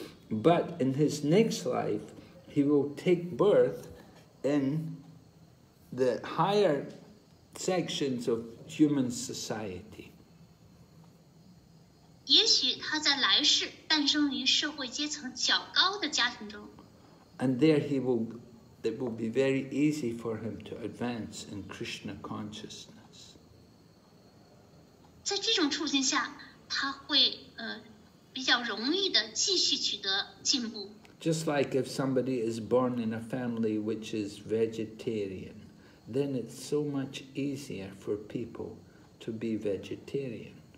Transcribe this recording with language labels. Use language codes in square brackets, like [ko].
[en] But in his next life, he will take birth in the higher sections of human society. And there it will be very easy for him to advance in Krishna consciousness. [zh] 在这种处境下，他会比较容易的继续取得进步。 [en] Just like if somebody is born in a family which is vegetarian, then it's so much easier for people to be vegetarian.